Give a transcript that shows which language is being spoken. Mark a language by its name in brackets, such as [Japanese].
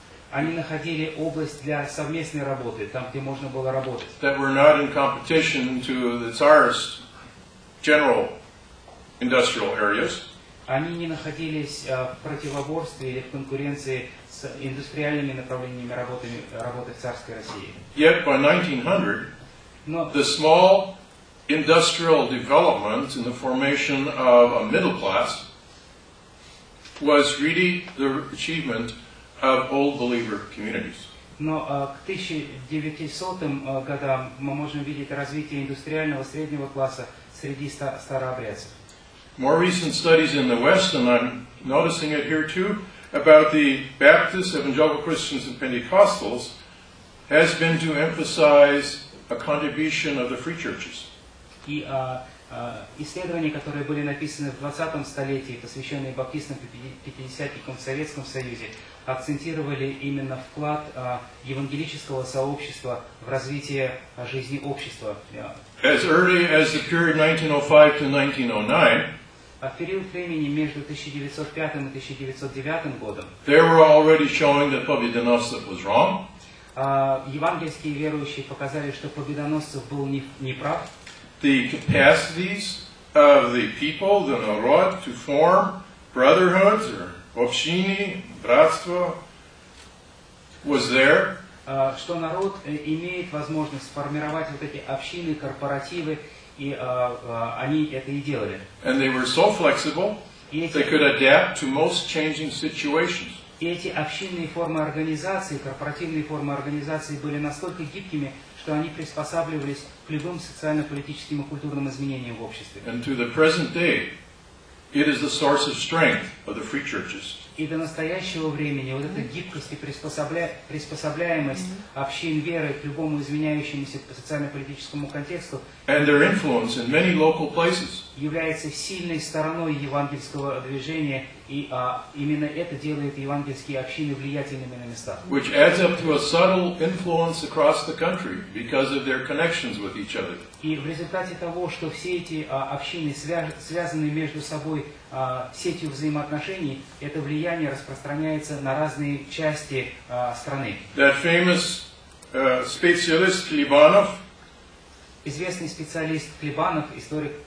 [Russian] Они находили область для совместной работы, там, где можно было работать. [English] That were not in competition to the Tsar's general industrial areas. [Russian] Они не находились в противоборстве или в конкуренции с индустриальными направлениями работы в царской России. [English] Yet by 1900, the small industrial development in the formation of a middle class was really the achievement of old believer communities. [Russian] Но к 1900 годам мы можем видеть развитие индустриального среднего класса среди старообрядцев. [English] More recent studies in the West, and I'm noticing it here too, about the Baptists, Evangelical Christians, and Pentecostals, has been to emphasize a contribution of the free churches. [Russian] И исследования, которые были написаны в 20-м столетии, посвященные баптистам и пятидесятникам в Советском Союзе, акцентировали именно вклад евангелического сообщества в развитие жизни общества. [English] As early as the period 1905 to 1909, [Russian] в период времени между 1905 и 1909 годом, [English] they were already showing that Победоносцев was wrong. [Russian] Евангельские верующие показали, что Победоносцев был не прав. [English] The capacities of the people, the народ, to form brotherhoods or [Russian] общины, братство, [English] was there. [Russian] Что народ имеет возможность сформировать вот эти общины, корпоративы. И они это и делали. [English] And they were so flexible, they could adapt to most changing situations. [Russian] И эти общинные формы организации, корпоративные формы организации были настолько гибкими, что они приспосабливались к любым социально-политическим и культурным изменениям в обществе. [English] And to the present day, it is the source of strength of the free churches. [Russian] И до настоящего времени вот эта гибкость и приспособляемость общин веры к любому изменяющемуся социально-политическому контексту [English] and their influence in many local places. [Russian] Является сильной стороной евангельского движения, и именно это делает евангельские общины влиятельными на местах. [English] Which adds up to a subtle influence across the country because of their connections with each other. [Russian] И в результате того, что все эти общины связаны между собой сетью взаимоотношений, это влияние распространяется на разные части страны. [English] That famous specialist Klebanov, [Russian] известный специалист Клебанов, историк,